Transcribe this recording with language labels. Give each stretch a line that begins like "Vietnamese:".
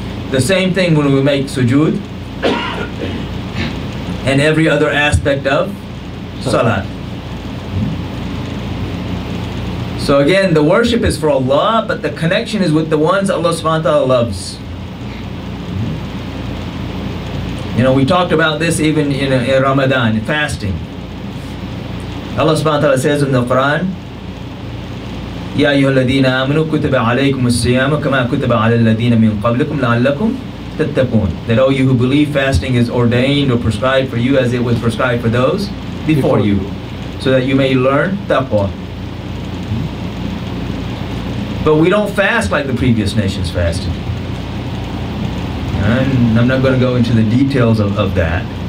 English: The same thing when we make sujood and every other aspect of salat. So again, the worship is for Allah, but the connection is with the ones Allah subhanahu wa ta'ala loves. You know, we talked about this even in Ramadan, fasting. Allah subhanahu wa ta'ala says in the Quran,
Arabic: يَا أَيُّهَا الَّذِينَ آمَنُوا كُتِبَ عَلَيْكُمُ السِّيَامَ كَمَا كُتِبَ عَلَى الَّذِينَ مِنْ قَبْلِكُمْ لَعَلَّكُمْ تَتَّقُونَ.
English: That all you who believe fasting is ordained or prescribed for you as it was prescribed for those before you, so that you may learn taqwa. But we don't fast like the previous nations fasted. And I'm not going to go into the details of that.